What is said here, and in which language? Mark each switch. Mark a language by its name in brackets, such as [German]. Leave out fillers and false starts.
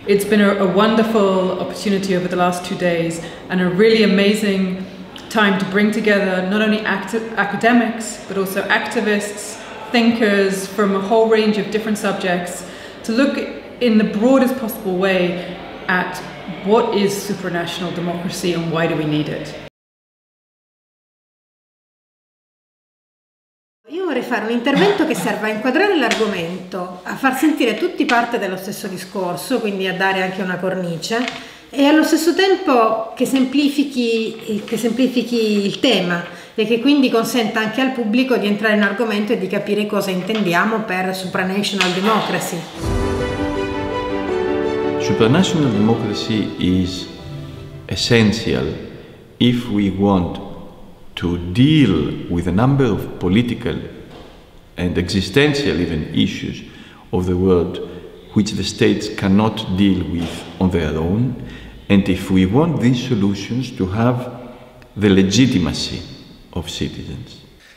[English] It's been a wonderful opportunity over the last 2 days and a really amazing time to bring together not only academics, but also activists, thinkers from a whole range of different subjects to look in the broadest possible way at what is supranational democracy and why do we need it. [Italian] Io vorrei fare un intervento che serva a inquadrare l'argomento, a far sentire tutti parte dello stesso discorso, quindi a dare anche una cornice, e allo stesso tempo che semplifichi il tema e che quindi consenta anche al pubblico di entrare in argomento e di capire cosa intendiamo per supranational democracy. [English] Supranational democracy is essential if we want to deal with a number of political and existential even issues of the world which the states cannot deal with on their own, and if we want these solutions to have the legitimacy of citizens.